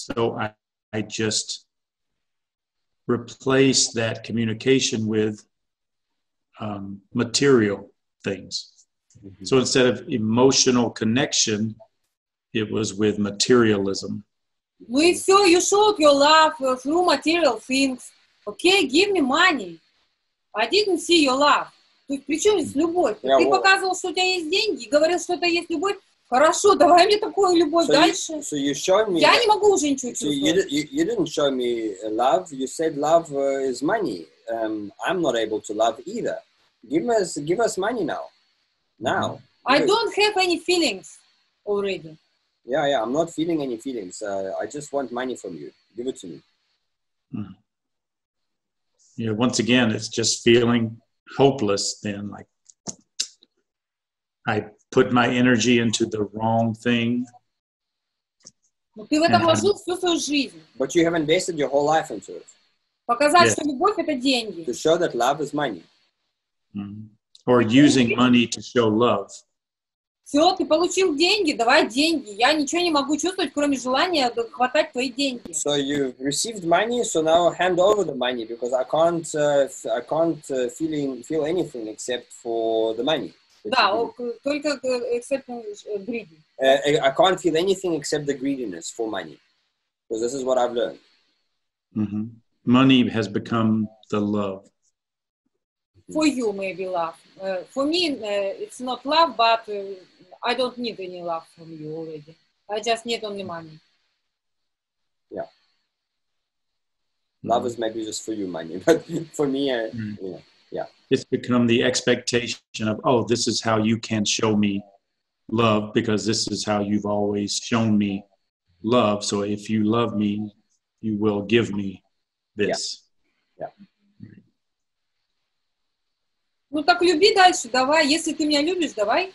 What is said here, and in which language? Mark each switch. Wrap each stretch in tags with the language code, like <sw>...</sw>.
<en>So I just replaced that communication with material things. Mm-hmm. So instead of emotional connection, it was with materialism.</en> <ru>Ну и все,</ru> <en>you showed your love through material things. Okay, give me money. I didn't see your love.</en> <ru>То есть при чем здесь любовь? Yeah, ты показывал, что у тебя есть деньги, говорил, что это есть любовь. Хорошо, давай мне такую любовь дальше. Я не могу уже ничего чувствовать.</ru> <en>You didn't show me love. You said love is money. I'm not able to love either. Give us money now. Now. Mm-hmm. I don't have any feelings already. Yeah, I'm not feeling any feelings. I just want money from you. Give it to me. Yeah, once again, it's just feeling hopeless then. Like, I put my energy into the wrong thing. But you have invested your whole life into it.</en> <ru>Показать, что любовь — это деньги.</ru> <en>To show that love is money. Or using money to show love.</en> <ru>Все, ты получил деньги, давай деньги. Я ничего не могу чувствовать, кроме желания хватать твои деньги.</ru> <en>So you received money, so now hand over the money, because I can't feel anything except for the money.</en> <ru>Да, только</ru> <en>except greed. I can't feel anything except the greediness for money, because this is what I've learned. Mm-hmm. Money has become the love. For you, maybe love. For me, it's not love, but I don't need any love from you already. I just need only money. Yeah. Love is maybe just for you, money, but for me, yeah. It's become the expectation of, oh, this is how you can show me love, because this is how you've always shown me love. So if you love me, you will give me this. Yeah.</en> <ru>Ну так люби дальше, давай. Если ты меня любишь, давай.</ru>